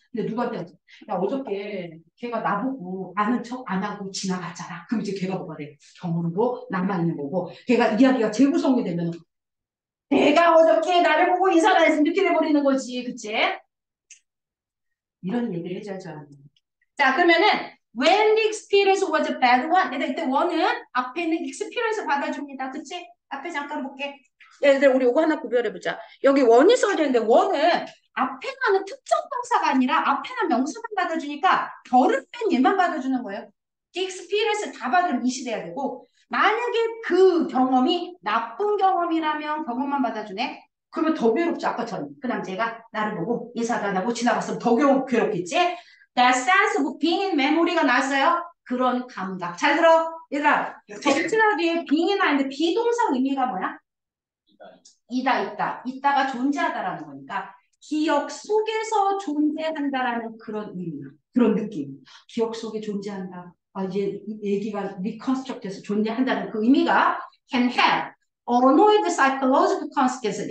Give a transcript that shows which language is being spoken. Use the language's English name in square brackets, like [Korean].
[Korean] 근데 누구한테 야, 어저께 걔가 나보고 아는 척안 하고 지나갔잖아. 그럼 이제 걔가 뭐가 돼? 경험은 뭐? 나만 있는 거고. 걔가 이야기가 재구성이 되면 내가 어저께 나를 보고 인사를 안 했으면 이렇게 돼버리는 거지. 그치? 이런 얘기를 해줘야 하는 거야. 자, 그러면은 [English] When the experience was a bad one. [Korean] 얘들 이때 원은 앞에 있는 experience 받아줍니다. 그치? 앞에 잠깐 볼게. 얘들 우리 이거 하나 구별해보자. 여기 원이 써야 되는데 원은 앞에 나는 특정 동사가 아니라 앞에 나 명사만 받아주니까 결을 뺀 얘만 받아주는 거예요. Experience 다 받으면 이시 돼야 되고 만약에 그 경험이 나쁜 경험이라면 경험만 받아주네. 그러면 더 괴롭지. 아까처럼 그 남자가 나를 보고 인사도 안 하고 지나갔으면 더 괴롭겠지. [English] That sense of being in memory가 [Korean] 나왔어요. 그런 감각. 잘 들어. 얘들아, 존재나 뒤에 being이 나는데 비동사 의미가 뭐야? 이다, 있다. 있다가 존재하다라는 거니까 기억 속에서 존재한다라는 그런 의미, 그런 느낌. 기억 속에 존재한다. 아, 이제 얘기가 리컨스트럭트해서 존재한다는 그 의미가 [English] can have annoyed psychological consequences.